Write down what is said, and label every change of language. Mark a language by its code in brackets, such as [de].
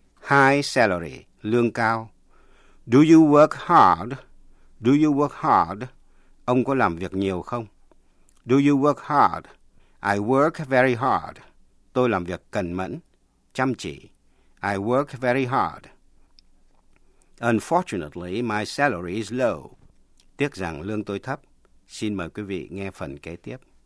[en] High salary. Lương cao. Do you work hard? Do you work hard? [vi] Ông có làm việc nhiều không? Do you work hard? I work very hard. Tôi làm việc cần mẫn, chăm chỉ. [en] I work very hard. Unfortunately, my salary is low. [vi] Tiếc rằng lương tôi thấp. Xin mời quý vị nghe phần kế tiếp.